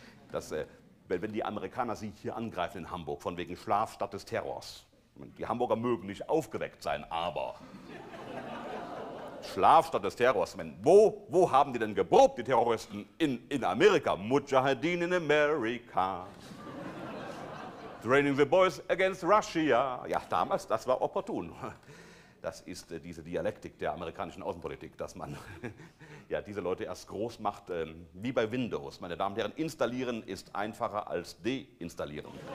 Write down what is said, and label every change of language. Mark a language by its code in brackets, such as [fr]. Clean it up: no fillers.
[de] Das, wenn die Amerikaner sie hier angreifen in Hamburg, von wegen Schlaf statt des Terrors. Die Hamburger mögen nicht aufgeweckt sein, aber Schlaf statt des Terrors. Wo haben die denn geprobt, die Terroristen? In Amerika. [en] Mujahideen in America. Training the boys against Russia. [de] Ja, damals, das war opportun. Das ist diese Dialektik der amerikanischen Außenpolitik, dass man ja, diese Leute erst groß macht, wie bei Windows. Meine Damen und Herren, installieren ist einfacher als deinstallieren.